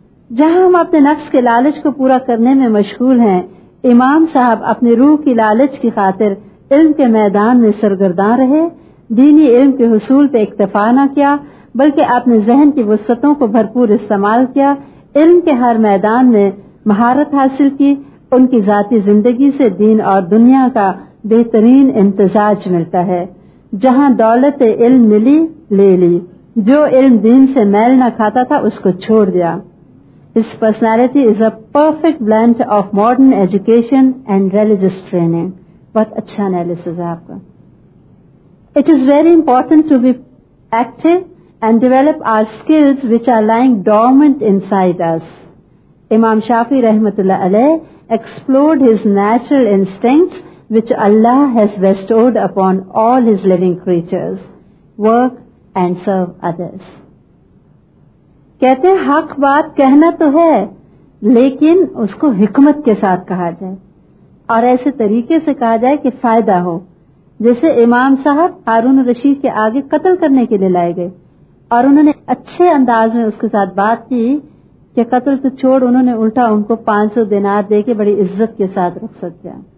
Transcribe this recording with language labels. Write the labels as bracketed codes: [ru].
[ur] جہاں ہم اپنے نفس کے لالچ کو پورا کرنے میں مشغول ہیں، امام صاحب اپنی روح کی لالچ کی خاطر علم کے میدان میں سرگردان رہے، دینی علم کے حصول پہ اکتفا نہ کیا بلکہ اپنے ذہن کی وسعتوں کو بھرپور استعمال کیا، علم کے ہر میدان میں مہارت حاصل کی، ان کی ذاتی زندگی سے دین اور دنیا کا بہترین امتزاج ملتا ہے. جہاں دولت علم ملی لے لی، جو علم دین سے میل نہ کھاتا تھا اس کو چھوڑ دیا. [en] His personality is a perfect blend of modern education and religious training. [ur] بہت اچھا analysis آپ کا. [en] It is very important to be active and develop our skills which are lying dormant inside us. Imam Shafi رحمت اللہ علیہ explored his natural instincts which Allah has bestowed upon all his living creatures. Work and serve others. [ur] کہتے ہیں حق بات کہنا تو ہے لیکن اس کو حکمت کے ساتھ کہا جائے اور ایسے طریقے سے کہا جائے کہ فائدہ ہو، جسے امام صاحب ہارون رشید کے آگے قتل کرنے کے لیے لائے گئے، اور انہوں نے اچھے انداز میں اس کے ساتھ بات کی کہ قتل تو چھوڑ، انہوں نے الٹا ان کو 500 دینار دے کے بڑی عزت کے ساتھ رخصت کیا.